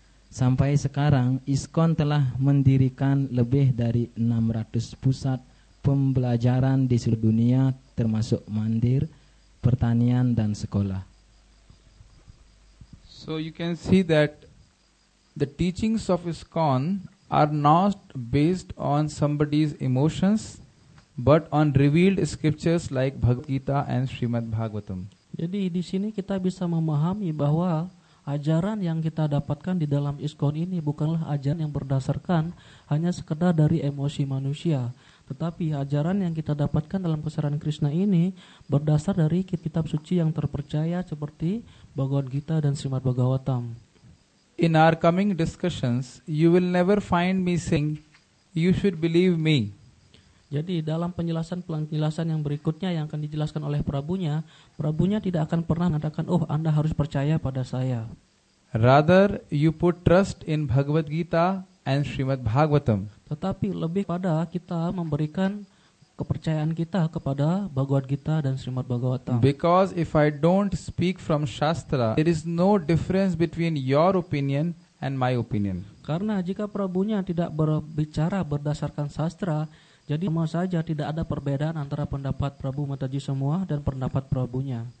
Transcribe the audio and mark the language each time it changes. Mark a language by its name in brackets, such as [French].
[Indonesian] Sampai sekarang ISKCON telah mendirikan lebih dari 600 pusat pembelajaran di seluruh dunia, termasuk mandir, pertanian dan sekolah. [English] So you can see that the teachings of ISKCON are not based on somebody's emotions but on revealed scriptures like Bhagavad Gita and Srimad Bhagavatam. [Indonesian] Jadi di sini kita bisa memahami bahwa ajaran yang kita dapatkan di dalam ISKCON ini bukanlah ajaran yang berdasarkan hanya sekedar dari emosi manusia, tetapi ajaran yang kita dapatkan dalam kesadaran Krishna ini berdasar dari kitab suci yang terpercaya seperti Bhagavad Gita dan Srimad Bhagavatam. [English] In our coming discussions, you will never find me saying, you should believe me. [Indonesian] Jadi dalam penjelasan-penjelasan yang berikutnya yang akan dijelaskan oleh Prabhunya, Prabhunya tidak akan pernah mengatakan, oh Anda harus percaya pada saya. [English] Rather, you put trust in Bhagavad Gita and Srimad Bhagavatam. [Indonesian] Tetapi lebih pada kita memberikan kepercayaan kita kepada Bhagavad Gita dan Srimad Bhagavatam. [English] Because if I don't speak from Shastra, there is no difference between your opinion and my opinion. [Indonesian] Karena jika Prabhunya tidak berbicara berdasarkan sastra, jadi sama saja tidak ada perbedaan antara pendapat Prabhu Mataji semua dan pendapat Prabhunya.